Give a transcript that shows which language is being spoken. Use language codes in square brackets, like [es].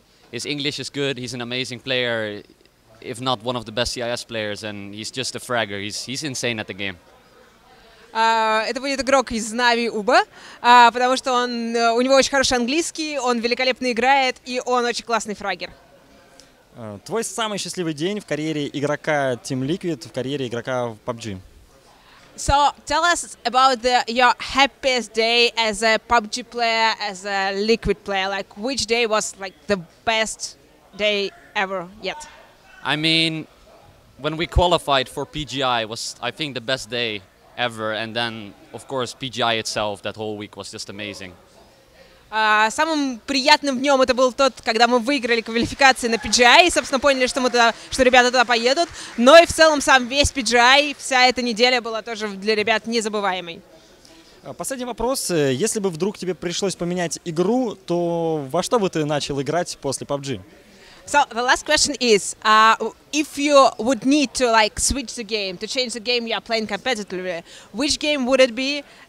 [en] His English is good, he's an amazing player, if not one of the best CIS players, and he's just a fragger, he's insane at the game. [ru] Это будет игрок из Na'Vi Uba, потому что он, у него очень хороший английский, он великолепно играет, и он очень классный фрагер. Твой самый счастливый день в карьере игрока Team Liquid, в карьере игрока в PUBG? [en] So, tell us about your happiest day as a PUBG player, as a Liquid player. Like, which day was like the best day ever yet? I mean, when we qualified for PGI was, I think, the best day ever, and then, of course, PGI itself, that whole week was just amazing. [ru] Самым приятным днем это был тот, когда мы выиграли квалификации на PGI, и, собственно, поняли, что мы туда, что ребята туда поедут. Но и в целом сам весь PGI, вся эта неделя была тоже для ребят незабываемой. Последний вопрос. Если бы вдруг тебе пришлось поменять игру, то во что бы ты начал играть после PUBG? [en] So the last question is, if you would need to like switch the game, to change the game you are playing competitively, which game would it be?